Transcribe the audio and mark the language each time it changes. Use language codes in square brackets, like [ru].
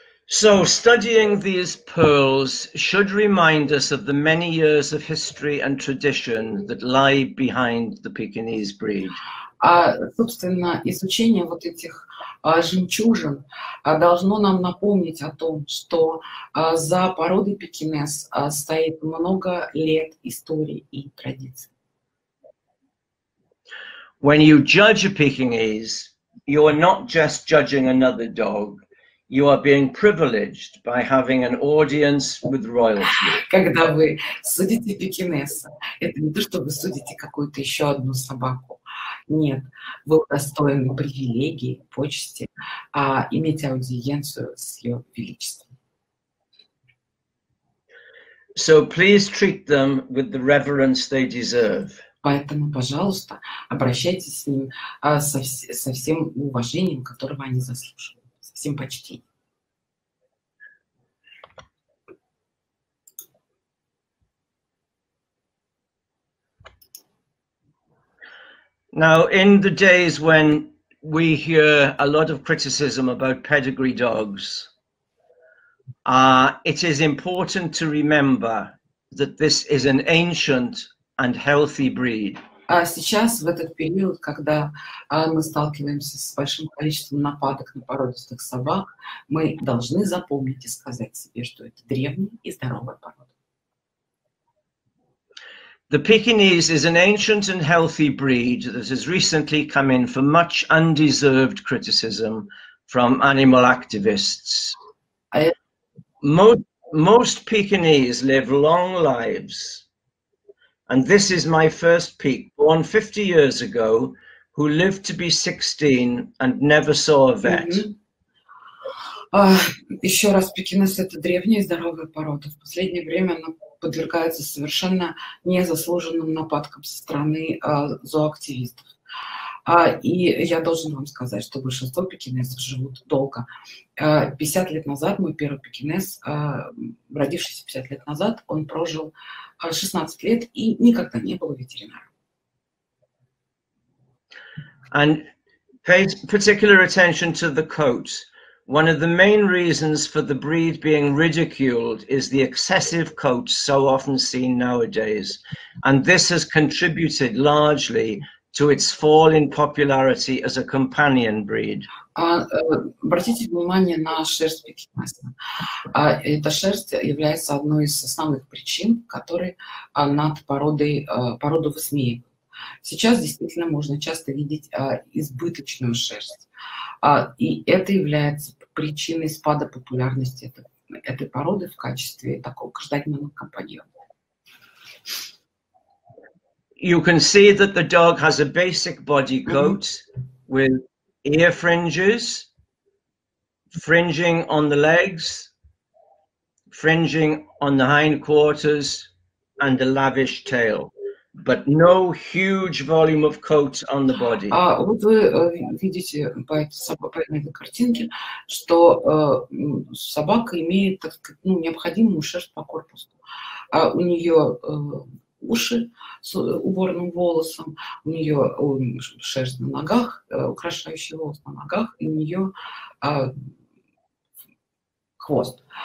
[en] So studying these pearls should remind us of the many years of history and tradition that lie behind the Pekinese breed. [ru] Собственно, изучение вот этих жемчужин должно нам напомнить о том, что за породой Пекинес стоит много лет истории и традиций. [en] When you judge a Pekinese, you are not just judging another dog. You are being privileged by having an audience with royalty. [ru] Когда вы судите пекинеса, это не то, что вы судите какую-то еще одну собаку. Нет, вы удостоены привилегии, почести, иметь аудиенцию с ее величеством. [en] So please treat them with the reverence they deserve. [ru] Поэтому, пожалуйста, обращайтесь с ним со всем уважением, которого они заслуживают. Всем почти. [en] Now, in the days when we hear a lot of criticism about pedigree dogs, it is important to remember that this is an ancient and healthy breed. [ru] Сейчас, в этот период, когда мы сталкиваемся с большим количеством нападок на породистых собак, мы должны запомнить и сказать себе, что это древняя и здоровая порода. [en] The Pekinese is an ancient and healthy breed that has recently come in for much undeserved criticism from animal activists. Most Pekinese live long lives And this is my first peak, born 50 years ago, who lived to be 16 and never saw a vet. [ru] Еще раз, пекинес – это древняя и здоровая порода. В последнее время она подвергается совершенно незаслуженным нападкам со стороны зооактивистов. И я должен вам сказать, что большинство пекинесов живут долго. 50 лет назад мой первый пекинес, родившийся 50 лет назад, он прожил 16 лет и никогда не был ветеринаром. [en] And pay particular attention to the coat. One of the main reasons for the breed being ridiculed is the excessive coat so often seen nowadays. And this has contributed largely to its fall in popularity as a companion breed. [ru] Обратите внимание на шерсть пекинеса. Эта шерсть является одной из основных причин, которые над породой, породу высмеивают. Сейчас действительно можно часто видеть избыточную шерсть. И это является причиной спада популярности этой породы в качестве такого гражданина компаньона. [en] You can see that the dog has a basic body coat with ear fringes, fringing on the legs, fringing on the hindquarters, and a lavish tail, but no huge volume of coat on the body. [ru] Вот вы видите по этой картинке, что собака имеет, так сказать, ну, необходимую шерсть по корпусу. У нее уши с уборным волосом, у нее шерсть на ногах, украшающий волос на ногах, и у нее хвост.